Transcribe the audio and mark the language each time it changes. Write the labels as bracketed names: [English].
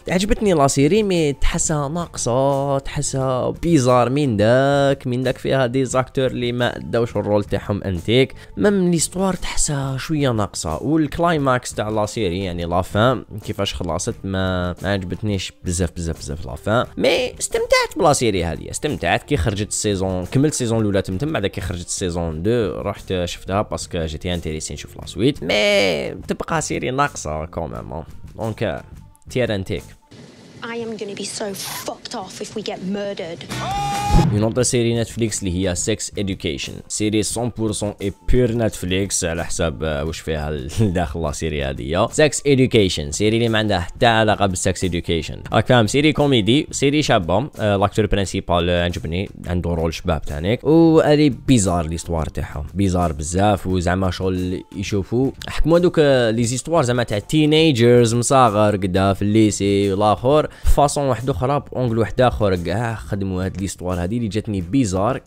[Arabic] عجبتني لا سيري مي تحسها ناقصه، تحسها بيزار من داك فيها دي زاكتور اللي ما اداوش الرول تاعهم انتيك، مام لي استوار تحسها شويه ناقصه، والكلايماكس تاع لا سيري يعني لا فان كيفاش خلاصت ما عجبتنيش بزاف بزاف بزاف لا فان. مي استمتعت بلا سيري هذه، استمتعت كي خرجت السيزون، كملت سيزون الاولى تمتم بعدا كي خرجت السيزون دو رحت شفتها باسكو جيتي انتريسي نشوف لا سويت، مي تبقى سيري ناقصه [French] كوميم دونك تيار [Arabic] انتيك. [English] I am going to be so fucked off if we get murdered. You know the series Netflix [Arabic] اللي هي Sex Education، سيري 100% اي بير Netflix على حساب واش فيها الداخل لا سيري هذه. Sex Education سيري اللي ما عندها حتى علاقه بالسكس ايدوكيشن، راك فاهم؟ سيري كوميدي، سيري شابه، لاكتور برينسيبال عجبني، عنده رول شباب تانيك، و الي بيزار لي استوار تاعهم، بيزار بزاف، وزعما شغل يشوفوا حكموا دوك لي استوار زعما تاع تينيجرز مصغار قدا في الليسي والاخر فاصون واحد اخرى بانجل واحد اخر كاع خدموا هاد ليستوار هادي اللي جاتني بيزار.